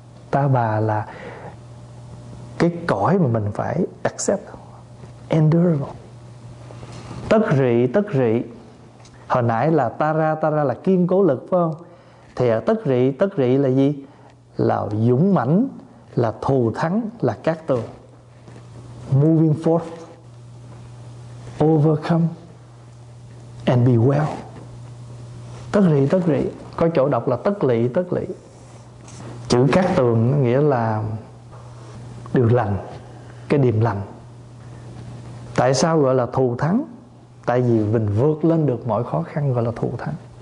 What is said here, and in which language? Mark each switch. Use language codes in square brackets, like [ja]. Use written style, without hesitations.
[vi] Ta bà là cái cõi mà mình phải accept, endurable. Tất rị, tất rị. Hồi nãy là tara là kiên cố lực phải không? Thì tất rị là gì? Là dũng mãnh, là thù thắng, là cát tường. [en] Moving forth, overcome and be well. [vi] Tất rị, có chỗ đọc là tất lị. Chữ cát tường nó nghĩa là điều lành, cái điềm lành. Tại sao gọi là thù thắng? Tại vì mình vượt lên được mọi khó khăn gọi là thù thắng.